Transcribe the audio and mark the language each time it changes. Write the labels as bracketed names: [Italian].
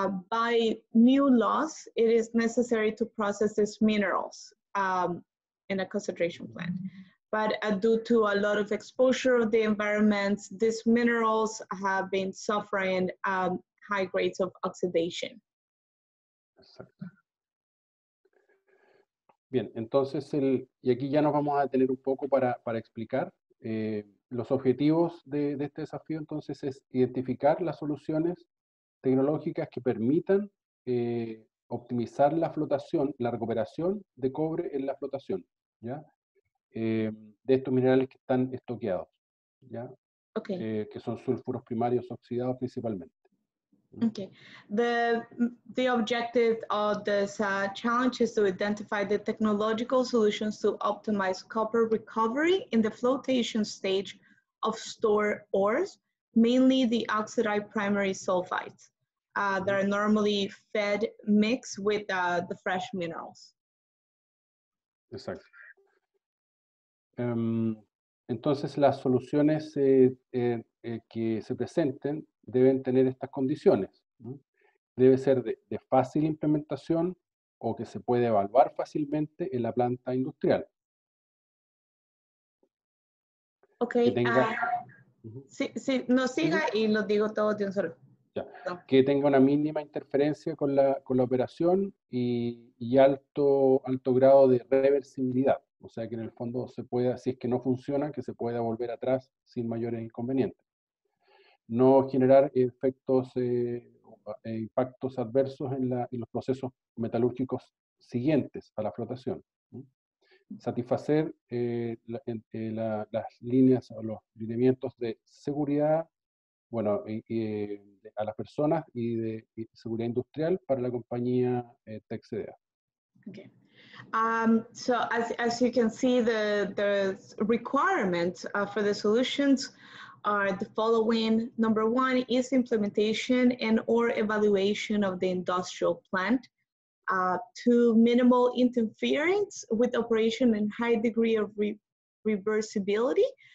[English] By new laws, it is necessary to process these minerals in a concentration plant. But due to a lot of exposure of the environment, these minerals have been suffering high rates of oxidation. [Spanish] Exacto. Bien, entonces, y aquí ya nos vamos a detener un poco para explicar. Los objetivos de este desafío, entonces, es identificar las soluciones tecnológicas que permitan optimizar la flotación, la recuperación de cobre en la flotación, ¿ya? De estos minerales que están estoqueados, ¿ya? [English] Okay. [Spanish] Que son sulfuros primarios oxidados principalmente. [English] Okay. The objective of this challenge is to identify the technological solutions to optimize copper recovery in the flotation stage of stored ores, mainly the oxidized primary sulfides that are normally fed mixed with the fresh minerals. [Spanish] Exacto. Entonces, las soluciones que se presenten deben tener estas condiciones, ¿no? Debe ser de fácil implementación o que se puede evaluar fácilmente en la planta industrial. Okay. Que tenga, siga y lo digo todo de un solo. Ya. No. Que tenga una mínima interferencia con la operación y alto grado de reversibilidad. O sea que en el fondo se pueda, si es que no funciona, que se pueda volver atrás sin mayores inconvenientes. No generar efectos, impactos adversos en los procesos metalúrgicos siguientes a la flotación. Satisfacer las líneas o los lineamientos de seguridad, bueno, a las personas y de seguridad industrial para la compañía TECCDA. [English] Okay. So as you can see, the requirements for the solutions are the following. Number one is implementation and or evaluation of the industrial plant. Two, minimal interference with operation and high degree of reversibility.